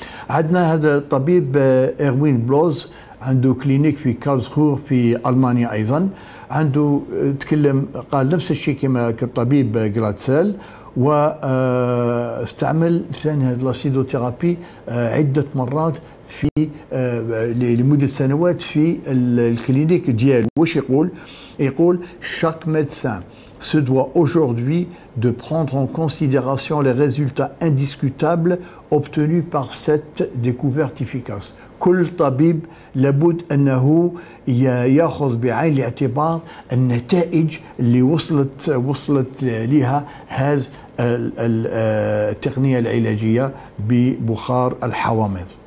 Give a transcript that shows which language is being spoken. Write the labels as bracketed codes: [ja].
[ar] عندنا هذا الطبيب إروين بلوز عنده كلينيك في كارلسروه في ألمانيا أيضا، عنده تكلم قال نفس الشيء كما كالطبيب غلاتسيل، واستعمل ثاني هذه الأسيدوثيرابي عدة مرات في لمدة سنوات في الكلينيك ديال. واش يقول؟ يقول [fr] شاك ميدسان se doit aujourd'hui de prendre en considération les résultats indiscutables obtenus par cette découverte efficace. [ar] كل طبيب لابد انه ياخذ بعين الاعتبار النتائج اللي وصلت لها هذه التقنيه العلاجيه ببخار الحوامض.